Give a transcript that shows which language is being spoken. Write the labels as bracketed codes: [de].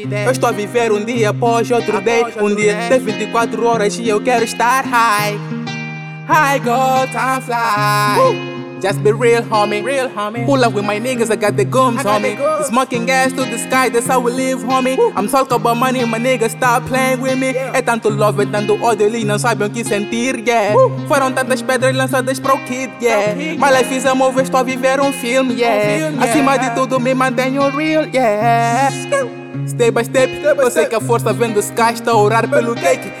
[pt] Eu estou a viver um dia após outro [en] day. [pt] Um dia tem 24 horas e eu quero estar [en] high. High goal, time fly. Just be real, homie. Real, homie. Pull up with my niggas, I got the gums, homie. Smoking gas to the sky, that's how we live, homie. I'm talking about money, my niggas, stop playing with me. [pt] É tanto [en] love, [pt] é tanto ódio, eles não sabem o que sentir, yeah. Foram tantas pedras lançadas pro [en] kid, [pt] yeah. [en] My life is a movie, [pt] estou a viver um filme, yeah. Acima de tudo, me mantenho real, yeah. [en] Step by step, [pt] eu sei que a força vem do [en] sky, [pt] está a orar pelo [en] cake.